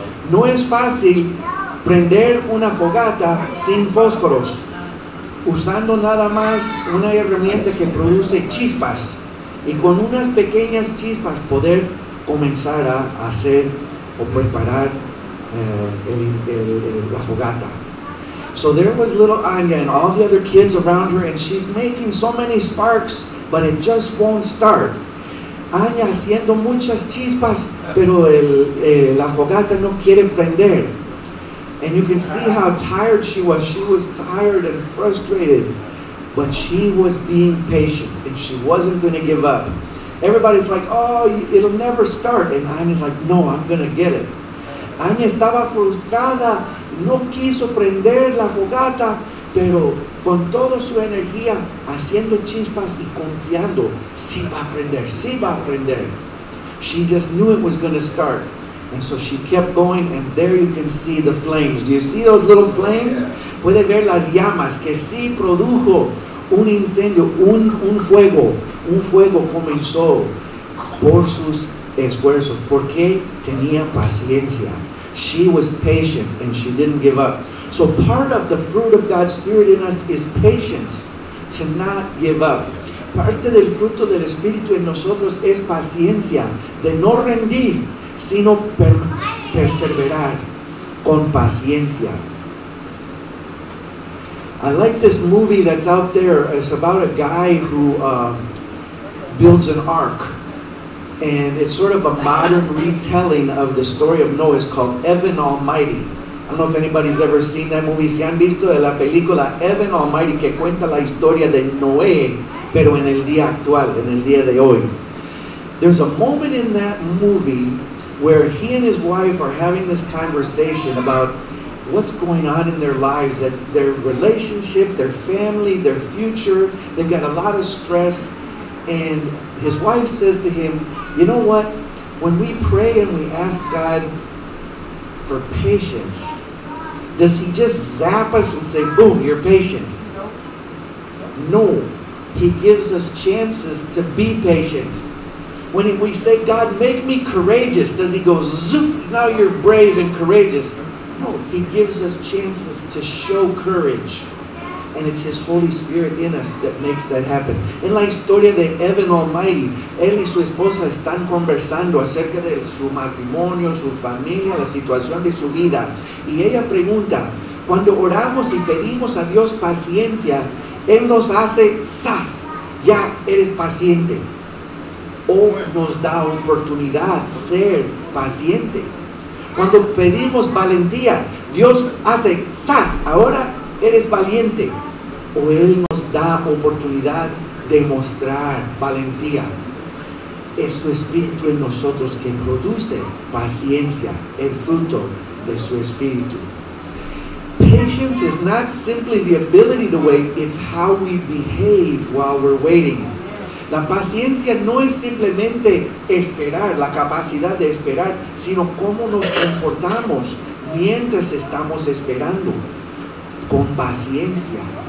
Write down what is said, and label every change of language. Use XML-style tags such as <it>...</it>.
<es>No es fácil prender una fogata sin fósforos, usando nada más una herramienta que produce chispas, y con unas pequeñas chispas poder comenzar a hacer o preparar La Fogata.</es> <en>So there was little Anya and all the other kids around her, and she's making so many sparks, but it just won't start.</en> <es>Anya haciendo muchas chispas, pero la fogata no quiere prender.</es> <en>And you can see how tired she was. She was tired and frustrated, but she was being patient, and she wasn't going to give up. Everybody's like, oh, it'll never start. And Anya's like, no, I'm going to get it.</en> <es>Anya estaba frustrada, no quiso prender la fogata, pero con toda su energía, haciendo chispas y confiando, sí va a prender, sí va a prender.</es> <en>She just knew it was going to start. And so she kept going, and there you can see the flames. Do you see those little flames?</en> <es>Puede ver las llamas, que sí produjo un incendio, un fuego. Un fuego comenzó por sus esfuerzos, porque tenía paciencia.</es> <en>She was patient, and she didn't give up. So part of the fruit of God's Spirit in us is patience, to not give up.</en> <es>Parte del fruto del Espíritu en nosotros es paciencia, de no rendir, sino perseverar con paciencia.</es> <en>I like this movie that's out there. It's about a guy who builds an ark. And it's sort of a modern retelling of the story of Noah. It's called Evan Almighty. I don't know if anybody's ever seen that movie.</en> <es>Si han visto la película Evan Almighty, que cuenta la historia de Noé, pero en el día actual, en el día de hoy.</es> <en>There's a moment in that movie where he and his wife are having this conversation about what's going on in their lives, that their relationship, their family, their future, they've got a lot of stress. And his wife says to him, you know what? When we pray and we ask God for patience, does he just zap us and say, boom, you're patient? No. He gives us chances to be patient. When we say, God, make me courageous, does he go, zoop, now you're brave and courageous? No. He gives us chances to show courage. And it's his Holy Spirit in us that makes that happen.</en> <es>En la historia de Evan Almighty, él y su esposa están conversando acerca de su matrimonio, su familia, la situación de su vida. Y ella pregunta, cuando oramos y pedimos a Dios paciencia, él nos hace, ¡zas! Ya eres paciente. O nos da oportunidad ser paciente. Cuando pedimos valentía, Dios hace, ¡zas! Ahora eres valiente. O Él nos da oportunidad de mostrar valentía. Es su Espíritu en nosotros que produce paciencia, el fruto de su Espíritu.</es> <en>Patience is not simply the ability to wait, it's how we behave while we're waiting.</en> <es>La paciencia no es simplemente esperar, la capacidad de esperar, sino cómo nos comportamos mientras estamos esperando, con paciencia.</es>